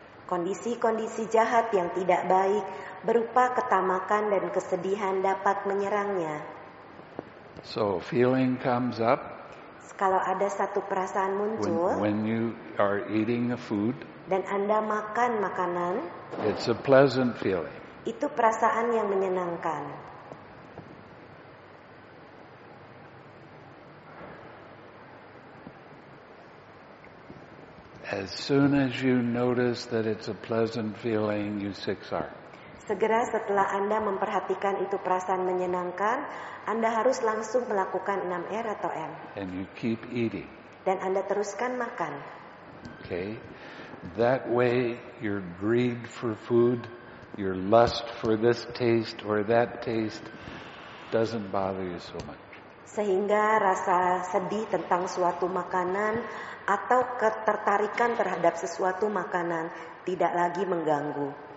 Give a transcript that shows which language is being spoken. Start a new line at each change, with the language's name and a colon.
Indonesian: Kondisi-kondisi jahat yang tidak baik berupa ketamakan dan kesedihan dapat menyerangnya.
English: So feeling comes up.
Indonesian: Kalau ada satu perasaan muncul.
English: When you are eating a food.
Indonesian: Dan Anda makan makanan.
English: It's a pleasant feeling.
Indonesian: Itu perasaan yang menyenangkan.
English: As soon as you notice that it's a pleasant feeling, you six are.
Indonesian: Segera setelah Anda memperhatikan itu perasaan menyenangkan, Anda harus langsung melakukan 6R atau M.
English: And you keep eating.
Indonesian: Dan Anda teruskan makan.
English: Okay. That way your greed for food, your lust for this taste or that taste doesn't bother you so much.
Indonesian: Sehingga rasa sedih tentang suatu makanan atau ketertarikan terhadap sesuatu makanan tidak lagi mengganggu.